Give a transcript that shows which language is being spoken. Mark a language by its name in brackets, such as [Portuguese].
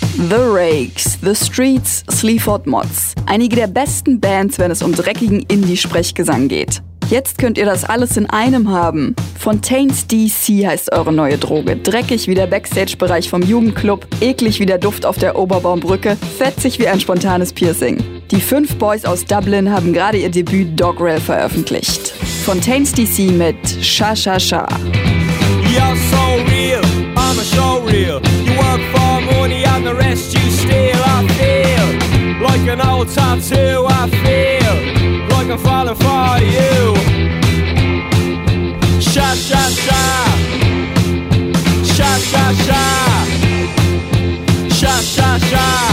[English] The Rakes, The Streets, Sleaford Mods. [German] Einige der besten Bands, wenn es um dreckigen Indie-Sprechgesang geht. Jetzt könnt ihr das alles in einem haben. Fontaines DC heißt eure neue Droge. Dreckig wie der Backstage-Bereich vom Jugendclub, eklig wie der Duft auf der Oberbaumbrücke, fetzig wie ein spontanes Piercing. Die fünf Boys aus Dublin haben gerade ihr Debüt Dogrel veröffentlicht. Fontaines DC mit Sha Sha Sha. [English] Yeah. you're so real, I'm a showreel. You work for money and the rest you steal. I feel like an old tattoo. I feel like I'm falling for you. Sha sha sha. Sha sha sha. Sha sha sha.